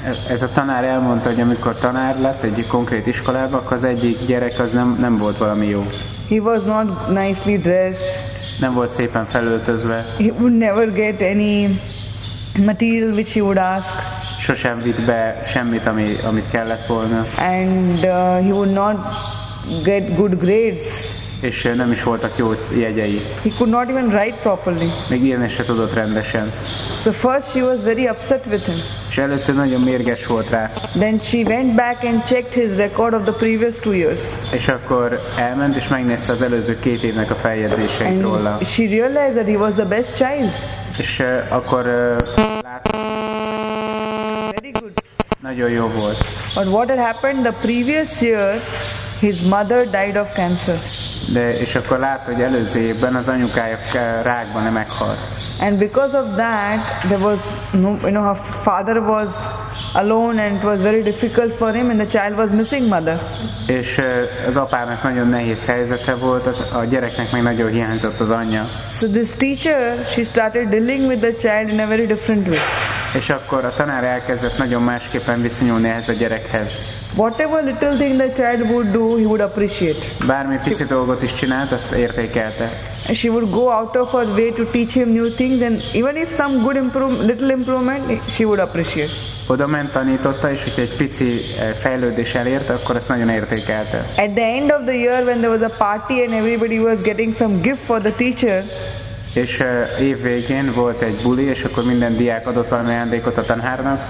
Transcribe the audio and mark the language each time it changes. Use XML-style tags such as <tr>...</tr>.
<hu>Ez a tanár elmondta, hogy amikor tanár lett egy konkrét iskolában, akkor az egyik gyerek az nem volt valami jó.</hu> <en>He was not nicely dressed.</en> <hu>nem volt szépen felöltözve.</hu> <en>He would never get any material which he would ask.</en> <hu>Sosem vitt be semmit, amit kellett volna.</hu> <en>And he would not get good grades.</en> <hu>És nem is voltak jó jegyei.</hu> <en>He could not even write properly.</en> <hu>Még írni se tudott rendesen.</hu> <en>So first she was very upset with him.</en> <hu>És először nagyon mérges volt rá.</hu> <en>Then she went back and checked his record of the previous 2 years.</en> <hu>És akkor elment és megnézte az előző 2 évnek a feljegyzéseit</hu> <en>and</en> <hu>róla.</hu> <en>She realized that he was the best child.</en> <hu>És akkor látta.</hu> <en>Very good.</en> <hu>Nagyon jó volt.</hu> <en>But what had happened the previous year? His mother died of cancer.</en> <hu>De és akkor látta, hogy előző évben az anyukája rákban meghalt.</hu> <en>And because of that, there was no, you know, her father was alone and it was very difficult for him, and the child was missing mother.</en> <hu>És az apának nagyon nehéz helyzete volt, az a gyereknek még nagyon hiányzott az anyja.</hu> <en>So this teacher, she started dealing with the child in a very different way.</en> <hu>És akkor a tanár elkezdett nagyon másképpen viszonyulni ehhez a gyerekhez.</hu> <en>Whatever little thing the child would do, he would appreciate.</en> <hu>Bármi pici dolgot is csinált, azt értékelte.</hu> <en>She would go out of her way to teach him new things, and even if some good little improvement, she would appreciate.</en> <hu>Oda ment, tanította, és hogyha egy pici fejlődés elért, akkor ezt nagyon értékelte.</hu> <en>At the end of the year, when there was a party and everybody was getting some gift for the teacher,</en> <hu>és év végén volt egy buli, és akkor minden diák adott valami ajándékot a tanárnak.</hu>